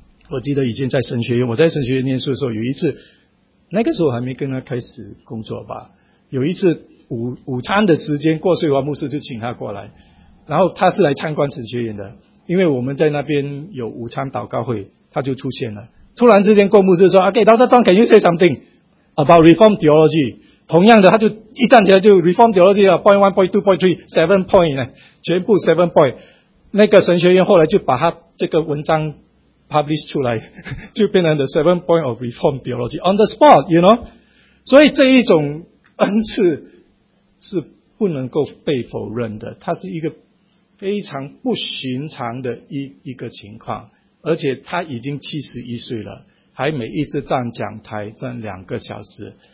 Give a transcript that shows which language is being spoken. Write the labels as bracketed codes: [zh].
[zh] 我记得以前在神学院，我在神学院念书的时候，有一次那个时候还没跟他开始工作吧，有一次午餐的时间过睡完，牧师就请他过来，然后他是来参观神学院的，因为我们在那边有午餐祷告会，他就出现了。突然之间过牧师说 [en] OK, Dr. Tong, can you say something about Reform Theology? [zh] 同样的他就一站起来就 [en] Reform Theology, point one, point two, point three, seven point, [zh] 全部 [en] seven point。 [zh] 那个神学院后来就把他这个文章 publish 出来，就变成 [en] the seven point of Reform Theology on the spot, you know? [zh] 所以这一种恩赐是不能够被否认的，它是一个非常不寻常的一个情况。而且他已经71岁了，还每一次站讲台站两个小时。